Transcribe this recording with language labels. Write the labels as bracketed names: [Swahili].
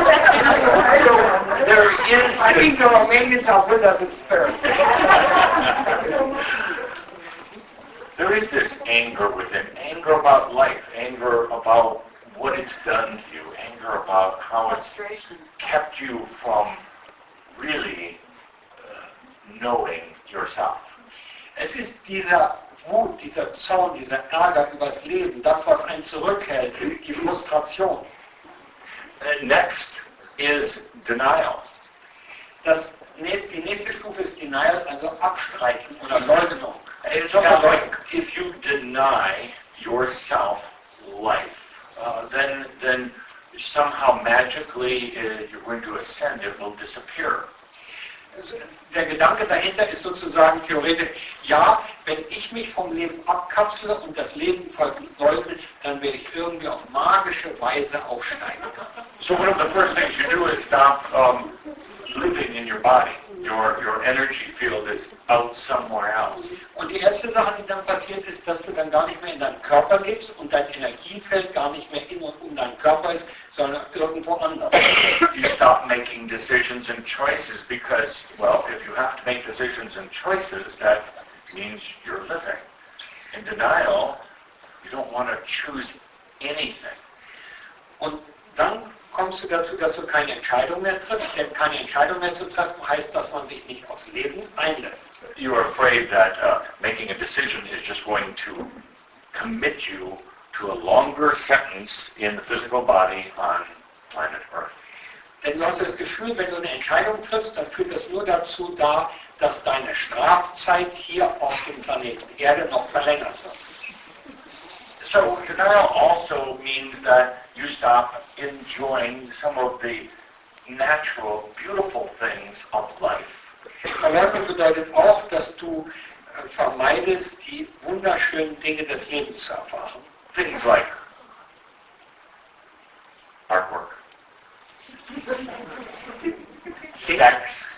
[English] I think the Romanians are with us in spirit. There is this anger within, anger about life, anger about what it's done to you, anger about how it's kept you from really knowing yourself. [German] Es ist dieser Wut, dieser Zorn, dieser Ärger übers Leben, das, was einen zurückhält, die Frustration. [English] Next is denial. [German] Die nächste Stufe ist denial, also abstreiten oder Leugnung. [English] If you deny yourself life, then somehow magically you're going to ascend, it will disappear. [German] Der Gedanke dahinter ist sozusagen theoretisch, ja, wenn ich mich vom Leben abkapsle und das Leben verleugne, dann werde ich irgendwie auf magische Weise aufsteigen. [English] So one of the first things you do is stop living in your body. Your energy field is out somewhere else. [German] Und die erste Sache, die dann passiert ist, dass du dann gar nicht mehr in deinem Körper lebst und dein Energiefeld gar nicht mehr in und um deinen Körper ist, sondern irgendwo anders. [English] You stop making decisions and choices because, well, if you have to make decisions and choices, that means you're living. In denial, you don't want to choose anything. [German] Und dann kommst du dazu, dass du keine Entscheidung mehr triffst, denn keine Entscheidung mehr zu treffen, heißt, dass man sich nicht aufs Leben einlässt. [English] You are afraid that making a decision is just going to commit you to a longer sentence in the physical body on planet Earth. [German] Denn du hast das Gefühl, wenn du eine Entscheidung triffst, dann führt das nur dazu da, dass deine Strafzeit hier auf dem Planeten Erde noch verlängert wird. [English] So, denial also means that you stop enjoying some of the natural, beautiful things of life. [German] Verleugnung bedeutet auch, dass du vermeidest, die wunderschönen Dinge des Lebens zu erfahren. [English] Things like artwork, sex,